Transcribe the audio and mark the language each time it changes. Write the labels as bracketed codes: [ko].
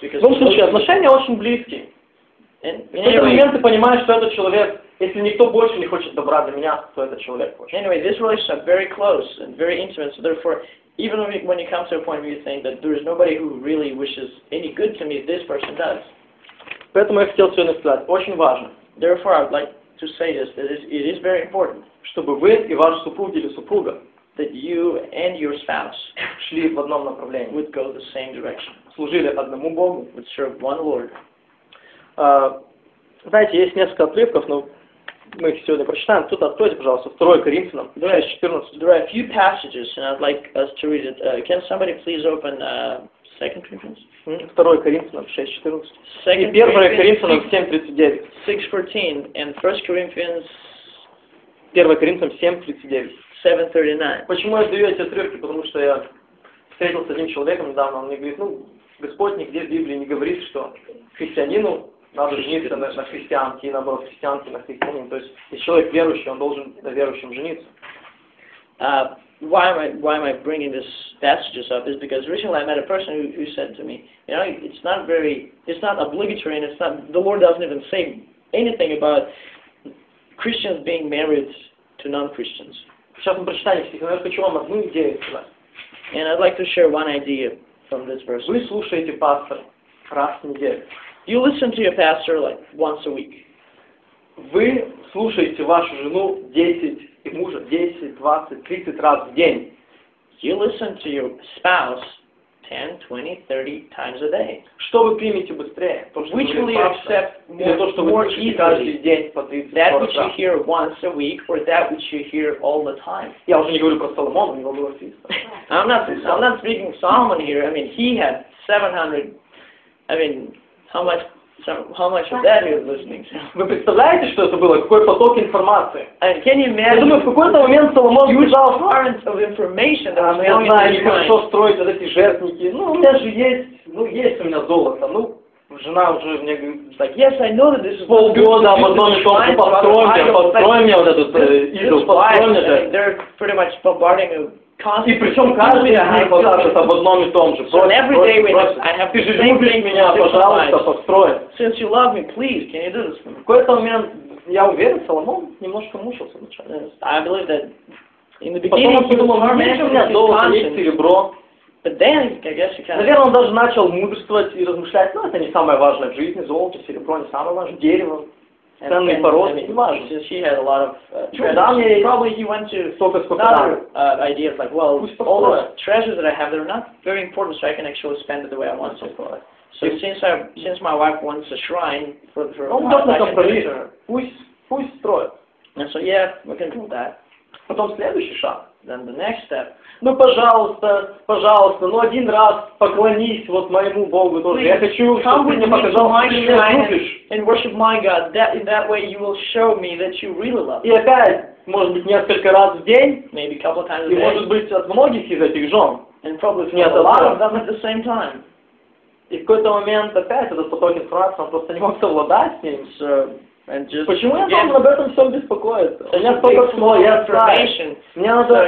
[ru] В любом случае, отношения очень близки. [en] And [ru] в этот момент ты понимаешь, что этот человек, если никто больше не хочет добра для меня, то этот человек хочет. [en] Anyway, this relationship is very close and very intimate, so therefore, even when you come to a point where you think that there is nobody who really wishes any good to me, this person does. [ru] Поэтому я хотел сегодня сказать, очень важно. [en] Therefore, I would like to say this, that it is very important. [ru] Чтобы вы и ваш супруг или супруга, [en] that you and your spouse [ru] шли в одном направлении, [en] would go the same direction. [ru] Служили одному Богу, [en] would serve one Lord. [ru] Знаете, есть несколько отрывков, но мы их сегодня прочитаем. Тут откройте, пожалуйста, 2 Коринфянам, 6:14. [en] There are a few passages, and I'd like us to read it. Can somebody please open 2 Corinthians? [ru] 2 Коринфянам, 6:14. И 1 Коринфянам, 7:39. [en] 6:14, and 1 Corinthians... [ru] 1 Коринфянам, 7:39. 7:39. Почему я даю эти отрывки? Потому что я встретился с одним человеком недавно, он мне говорит, ну, Господь нигде в Библии не говорит, что христианину надо жениться на христианке, и наоборот, христианке на христианин. То есть, если человек верующий, он должен на верующем жениться. [en] Why am I bringing this passage up? Is because recently I met a person who said to me, you know, it's not obligatory, and it's not, the Lord doesn't even say anything about Christians being married to non-Christians. [ru] Сейчас мы прочитаем стих, но я хочу вам одну идею. [en] And I'd like to share one idea from this verse. [ru] Вы слушаете пастора раз в неделю. [en] You listen to your pastor like once a week. [ru] Вы слушаете вашу жену 10 и мужа 10, 20, 30 раз в день. [en] You listen to your spouse 10, 20, 30 times a day. [ru] Что вы примете быстрее? То, что [en] which [ru] вы [en] will you accept more easily? [ru] Каждый день по 30, [en] that which you hear once a week or that which you hear all the time? [ru] Я уже не говорю про Соломона, у него было 300. [en] I'm not speaking of Solomon here. I mean, he had 700. I mean, how much of that he was listening to? [ru] Вы представляете, что это было? Какой поток информации? [en] And can you imagine? [ru] Я думаю, в какой-то момент Соломон бежал. [en] Huge torrent of information. [ru] А, ну я знаю, хорошо строить вот эти жертвники. Ну, у меня же есть, ну, есть у меня золото. Ну, жена уже мне говорит, так, [en] yes, I know that this is [ru] полгода об одном и том, что построй мне вот этот идол, построй мне же. [en] They're pretty much bombarding you. [ru] И причем каждый день пожалуйста об одном и том же. [en] So every day we have. [ru] Ты же любишь меня, пожалуйста, построй. [en] Since you love me, please, can you do this? [ru] В какой-то момент я уверен, Соломон немножко мучился вначале. [en] I believe that in the beginning. [ru] Потом он подумал, что у меня золото, есть серебро. [en] But then, I guess you can. [ru] Наверное, он даже начал мудрствовать и размышлять. Ну, это не самое важное в жизни. Золото, серебро не самое важное. Дерево. Ценные породы, неважно. [en] She had a lot of treasures. Probably he went to another ideas like, well, all the treasures that I have, they're not very important, so I can actually spend it the way I want to. So since my wife wants a shrine for her God, I can do it to her. [ru] Пусть строят. [en] And so, yeah, we can do that. [ru] Потом следующий шаг. [en] Then the next step. [ru] Ну, пожалуйста, пожалуйста, ну один раз поклонись вот моему Богу тоже. [en] Please, [ru] я хочу, чтобы ты мне показал, что ты меня любишь. [en] And worship my God. That in that way you will show me that you really love me. [ru] И опять, может быть, несколько раз в день. [en] Maybe a couple times a day. [ru] И может быть, от многих из этих жен. [en] And probably [ru] не от [en] Аллаха. At the same time. [ru] И в какой-то момент опять этот поток информации, он просто не мог совладать с ним. [en] So, and just, [ru] почему [en] again, [ru] я должен об этом всем беспокоиться? У меня столько всего, мне надо,